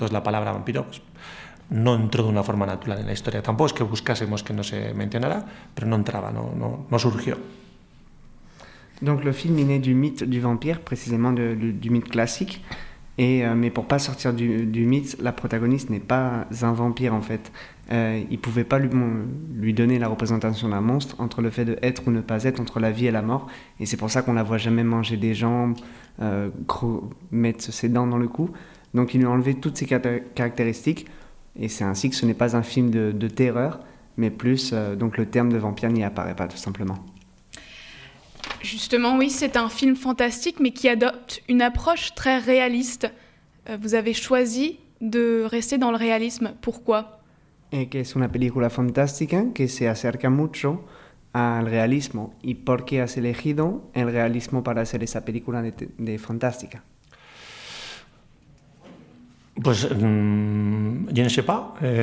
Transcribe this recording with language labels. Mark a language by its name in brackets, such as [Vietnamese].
[Spanish] Entonces la palabra vampiro pues, no entró de una forma natural en la historia. Tampoco es que buscásemos que no se mencionara, pero no entraba, no surgió. [French] Donc le film est né du mythe du vampire, précisément du mythe classique. Et, mais pour ne pas sortir du mythe, la protagoniste n'est pas un vampire en fait. Il ne pouvait pas lui donner la représentation d'un monstre entre le fait d'être ou ne pas être, entre la vie et la mort. Et c'est pour ça qu'on ne la voit jamais manger des jambes, mettre ses dents dans le cou. Donc il lui a enlevé toutes ses caractéristiques. Et c'est ainsi que ce n'est pas un film de terreur, mais plus donc le terme de vampire n'y apparaît pas tout simplement. Justement, oui, c'est un film fantastique, mais qui adopte une approche très réaliste. Vous avez choisi de rester dans le réalisme. Pourquoi ? [Spanish] Et que es una película fantástica que se acerca mucho al realismo. ¿Y por qué has elegido el realismo para hacer esa película de fantástica? [French] Pues, je ne sais pas.